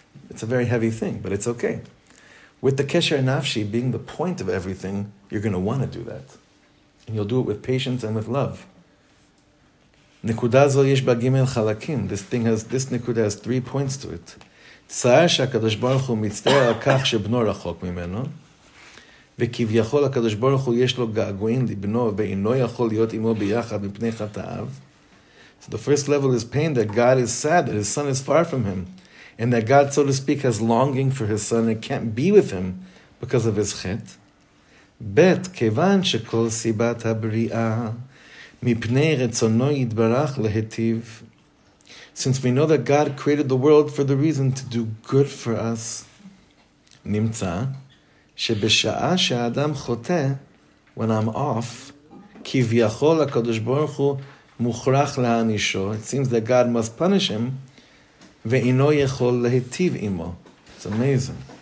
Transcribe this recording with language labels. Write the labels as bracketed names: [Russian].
[English] It's a very heavy thing, but it's okay. With the kesher nafshi being the point of everything, you're going to want to do that. And you'll do it with patience and with love. [Hebrew] Nekudah zo yesh bagimel chalakim. [English] This nekudah has 3 points to it. [Hebrew] Tzayah shakadosh baruch hu mitzter al kach shebno rachok mimeno. וכביכול הקדוש ברוך הוא יש לו געגועים לבנו ואינו יכול להיות עמו ביחד מפני חטאיו. [English] So the first level is pain, that God is sad, that his son is far from him. And that God, so to speak, has longing for his son and can't be with him because of his chet. [Hebrew] בית, כיוון שכל סיבת הבריאה מפני רצונו יתברך להטיב. [English] Since we know that God created the world for the reason to do good for us, [Hebrew] נמצא, שבשעה שהאדם חוטא, [English] when I'm off, [Hebrew] כביכול הקדוש ברוך הוא מוכרח להנישו, [English] it seems that God must punish him, [Hebrew] ואינו יכול להטיב עמו. [English] It's amazing.